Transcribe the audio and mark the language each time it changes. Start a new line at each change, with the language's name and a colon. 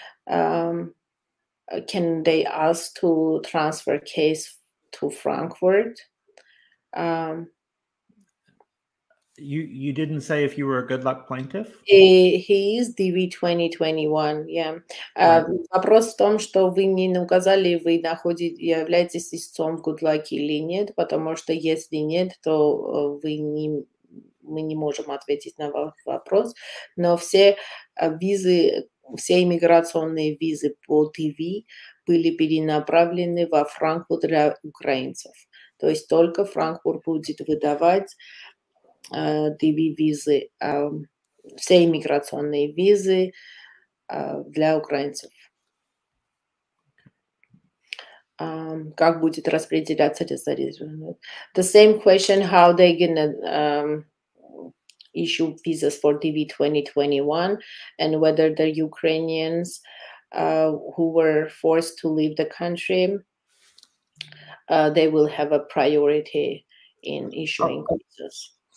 English: Can they ask to transfer case to Frankfurt? You didn't say if you were a good luck plaintiff? He is DV 2021, yeah. Right.
Russian: Вопрос в том, что вы не указали, вы являетесь истцом good luck или нет, потому что если нет, то мы не можем ответить на ваш вопрос. Но все визы, все иммиграционные визы по ТВ были перенаправлены во Франкфурт для украинцев. То есть только Франкфурт будет выдавать ТВ-визы, все иммиграционные визы для украинцев. Как будет распределяться?
English: The same question, how they gonna... issue visas for DV 2021 and whether the Ukrainians who were forced to leave the country, they will have a priority in issuing visas.